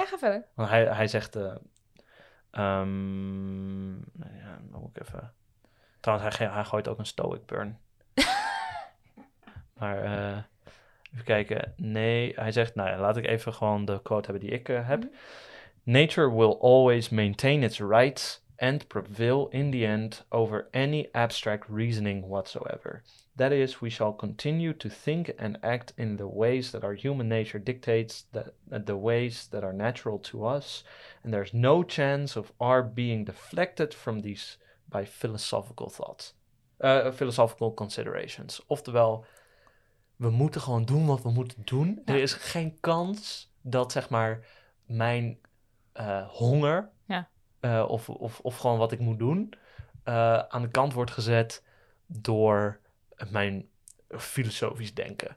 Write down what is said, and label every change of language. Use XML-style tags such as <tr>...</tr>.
<nl>Ja, ga verder. Want hij zegt... ja, nog ook even... Trouwens, hij gooit ook een stoic burn. Maar... Even kijken. Nee, hij zegt, nou ja, laat ik even gewoon de quote hebben die ik heb.</nl> <en>Nature will always maintain its rights and prevail in the end over any abstract reasoning whatsoever. That is, we shall continue to think and act in the ways that our human nature dictates, that the ways that are natural to us, and there's no chance of our being deflected from these by philosophical thoughts. Philosophical considerations.</en> <nl>Oftewel, we moeten gewoon doen wat we moeten doen. Ja. Er is geen kans dat, zeg maar, mijn honger... Ja. Of gewoon wat ik moet doen... Aan de kant wordt gezet door mijn filosofisch denken.</nl>